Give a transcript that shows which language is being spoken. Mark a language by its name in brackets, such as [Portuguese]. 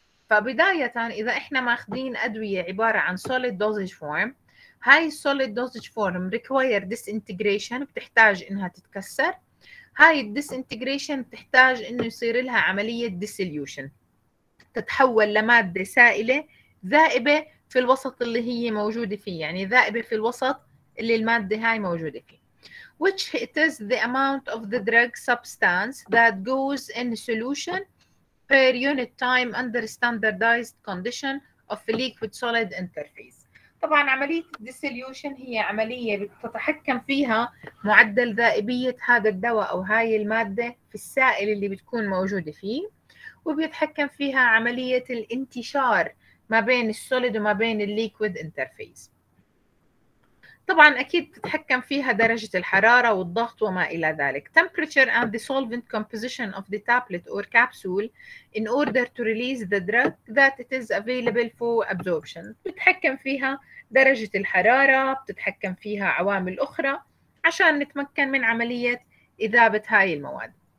[Arabic] فبداية إذا إحنا ماخدين أدوية عبارة عن solid dosage form، هاي [English] solid dosage form require disintegration، [Arabic] بتحتاج إنها تتكسر. هاي disintegration بتحتاج إنه يصير لها عملية dissolution، تتحول لمادة سائلة ذائبة في الوسط اللي هي موجودة فيه، يعني ذائبة في الوسط اللي المادة هاي موجودة فيه. [English] Which it is the amount of the drug substance that goes in solution per unit time under standardized condition of the liquid-solid interface. [Arabic] طبعاً عملية dissolution هي عملية بتتحكم فيها معدل ذائبية هذا الدواء أو هاي المادة في السائل اللي بتكون موجودة فيه، وبيتحكم فيها عملية الانتشار ما بين السوليد وما بين الليكويد interface. طبعا اكيد تتحكم فيها درجه الحراره والضغط وما الى ذلك. [English] temperature and the solvent composition of the tablet or capsule in order to release the drug that it is available for absorption. [Arabic] بتتحكم فيها درجه الحراره، بتتحكم فيها عوامل اخرى عشان نتمكن من عمليه اذابه هاي المواد.